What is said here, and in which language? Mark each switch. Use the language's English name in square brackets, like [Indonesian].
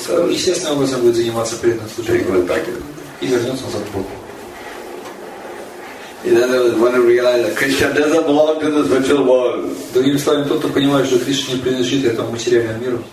[Russian] Естественно, он будет заниматься преданным служением. И вернется назад к Богу. [English] In other words, one who realizes that Krishna doesn't belong to the spiritual world. [Russian] Другими словами, тот, кто понимает, что Кришна не принадлежит этому материальному миру,